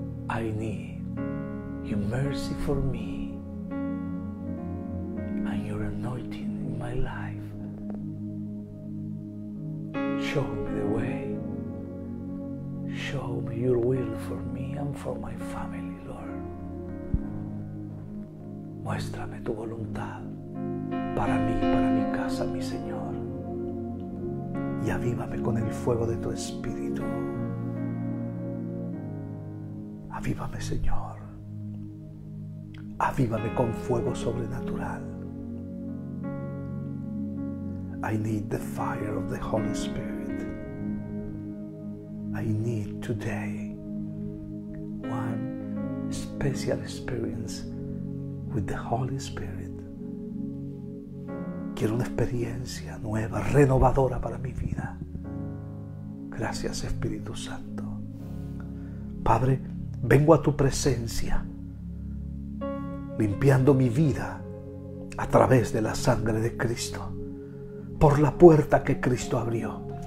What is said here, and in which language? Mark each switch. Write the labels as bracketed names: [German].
[English] I need your mercy for me and your anointing in my life. Show me the way. Show me your will for me and for my family, Lord. [Spanish] Muéstrame tu voluntad para mí, para mi casa, mi Señor. Y avívame con el fuego de tu Espíritu. Avívame, Señor. Avívame con fuego sobrenatural. [English] I need the fire of the Holy Spirit. I need today one special experience with the Holy Spirit. [Spanish] Quiero una experiencia nueva, renovadora para mi vida. Gracias, Espíritu Santo. Padre, vengo a tu presencia, limpiando mi vida a través de la sangre de Cristo, por la puerta que Cristo abrió.